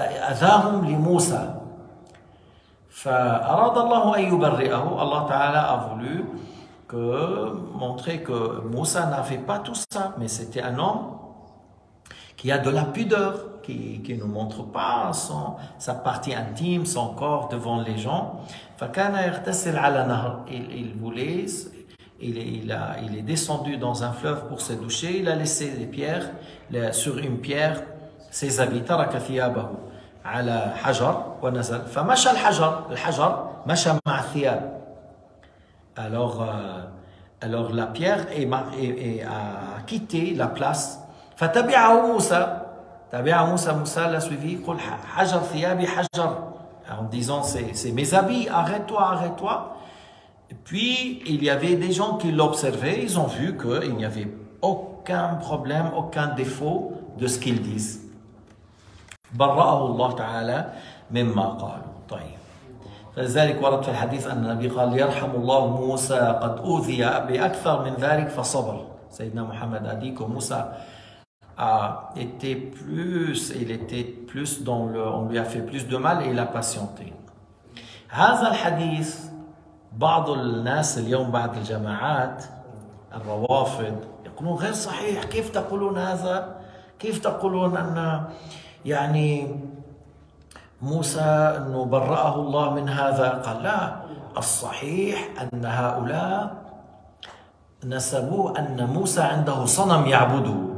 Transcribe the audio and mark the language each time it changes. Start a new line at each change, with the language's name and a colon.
Arabic: أذاهم لموسى فأراد الله أن يبرئه الله تعالى
French: a voulu que montrer que Moussa n'avait pas tout ça mais c'était un homme qui a de la pudeur qui ne montre pas sa partie intime son corps devant les gens
Arabic: فكان يغتسل على نهر
French: il voulait il est descendu dans un fleuve pour se doucher, il a laissé des pierres sur une pierre ses habits,
Arabic: ترك ثيابه على حجر ونزل فمشى الحجر الحجر مشى مع الثياب.
French: Alors la pierre a quitté la place.
Arabic: فتبعه موسى تبعه موسى موسى
French: l'a suivi.
Arabic: قل حجر ثيابي حجر
French: en disant c'est mes habits, arrête-toi. Puis il y avait des gens qui l'observaient, ils ont vu qu'il n'y avait aucun problème, aucun défaut de ce qu'ils disent.
Arabic: برأه الله تعالى مما قالوا. طيب فلذلك ورد في الحديث أن النبي قال يرحم الله موسى قد أوذي بأكثر من ذلك فصبر. سيدنا محمد أديك
French: موسى était plus, il était plus dans le, on lui a fait plus de mal et il a patienté.
Arabic: هذا الحديث بعض الناس اليوم بعض الجماعات الروافض يقولون غير صحيح. كيف تقولون هذا؟ كيف تقولون أن يعني موسى أنه برأه الله من هذا؟ قال لا، الصحيح أن هؤلاء نسبوا أن موسى عنده صنم يعبده.